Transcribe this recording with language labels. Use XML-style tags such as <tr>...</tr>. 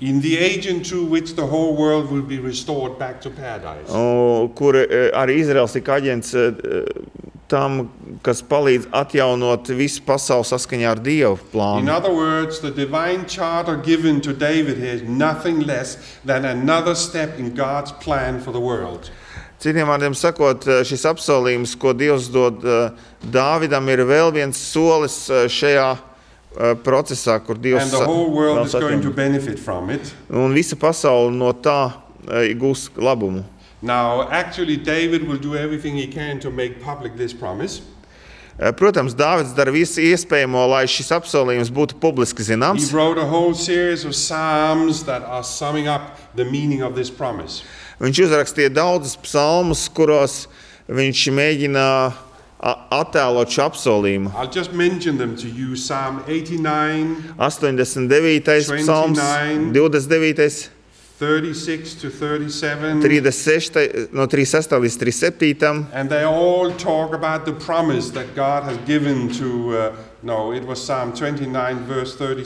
<en>In the agent through which the whole world will be restored back to paradise.</en> <lv>Kur arī Izraels ir aģents tam, kas palīdz atjaunot visu pasauli saskaņā ar Dieva plānu.</lv> <en>In other words, the divine charter given to David is nothing less than another step in God's plan for the world.</en> <lv>Citiem vārdiem sakot, šis apsolījums, ko Dievs dod Dāvidam, ir vēl viens solis šajā procesā, kur Dievs</lv> <en>and the whole world is going to benefit from it.</en> <lv>Un visa pasaule no tā gūs labumu.</lv> <en>Now, actually, David will do everything he can to make public this promise.</en> <lv>Protams, Dāvids dar visu iespējamo, lai šis apsolījums būtu publiski zināms.</lv> <en>He wrote a whole series of psalms that are summing up the meaning of this promise.</en> <lv>Viņš uzrakstīja daudzas psalmas, kuros viņš mēģina attēlot šo apsolījumu.</lv> <en>I'll just mention them to you. Psalm 89,</en> <lv>89. Psalms, 29.</lv> <en>36 to 37, and they all talk about the promise that God has given to, it was Psalm 29, verse</en>